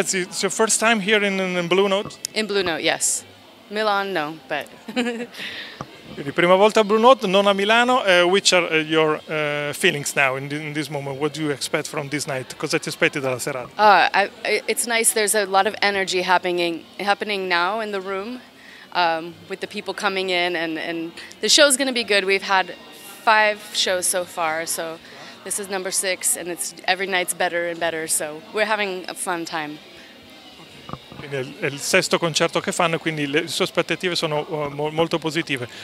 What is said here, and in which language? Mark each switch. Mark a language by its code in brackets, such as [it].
[en] It's your first time here in Blue Note? In Blue Note, yes. Milan, no, but... [it] Quindi, prima volta a Blue Note, non a Milano. [en] Which are your feelings now in this moment? What do you expect from this night? [it] Cosa ti aspetti dalla serata? [en] It's nice. There's a lot of energy happening now in the room. With the people coming in, and the show's going to be good. We've had 5 shows so far, so this is number 6, and it's every night's better and better, so we're having a fun time. [it] Quindi è il sesto concerto che fanno, quindi le sue aspettative sono molto positive.